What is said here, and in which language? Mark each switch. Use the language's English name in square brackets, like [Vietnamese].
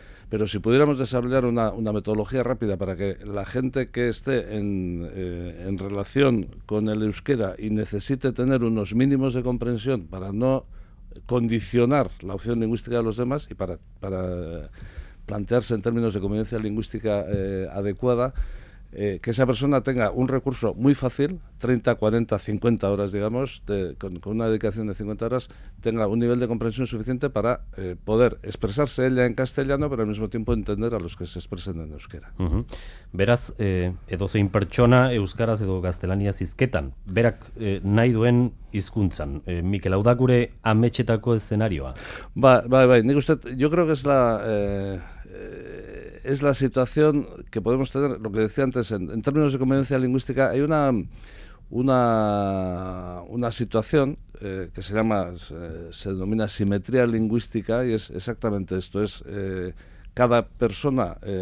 [Spanish] pero si pudiéramos desarrollar una metodología rápida para que la gente que esté en relación con el euskera y necesite tener unos mínimos de comprensión para no condicionar la opción lingüística de los demás y para plantearse en términos de convivencia lingüística adecuada, que esa persona tenga un recurso muy fácil, 30, 40, 50 horas, digamos, con una dedicación de 50 horas, tenga un nivel de comprensión suficiente para poder expresarse ella en castellano, pero al mismo tiempo entender a los que se expresen en euskera. Uh-huh. [Basque] Beraz, edozein pertsona euskaraz edo gaztelaniaz hizketan, berak nahi duen hizkuntzan. Mikel, hau da gure ametxetako eszenarioa. Bai, nik uste, [Spanish] yo creo que es la situación que podemos tener, lo que decía antes, en términos de convivencia lingüística, hay una situación que se denomina simetría lingüística, y es exactamente esto, es cada persona